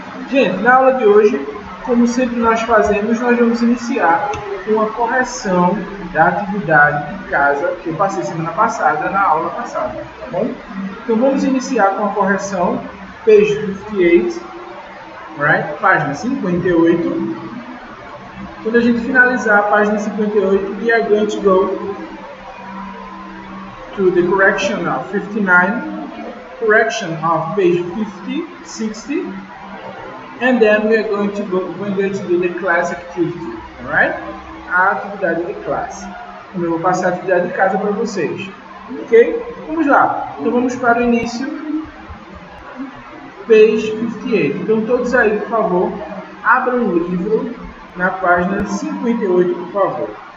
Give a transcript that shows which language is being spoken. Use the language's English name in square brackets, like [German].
[Portuguese] Gente, na aula de hoje, como sempre nós fazemos, nós vamos iniciar com a correção da atividade de casa que eu passei semana passada, na aula passada, tá bom? Então vamos iniciar com a correção, [English] page 58, right? [Portuguese] Página 58. Quando a gente finalizar a página 58, [English] we are going to go to the correction of 59, correction of page 50, 60, and then we are going to go, we're going to do the class activity, right? [Portuguese] A atividade de classe. Eu vou passar a atividade de casa para vocês. Ok? Vamos lá. Então vamos para o início. [English] Page 58. [Portuguese] Então todos aí, por favor, abram o livro na página 58, por favor.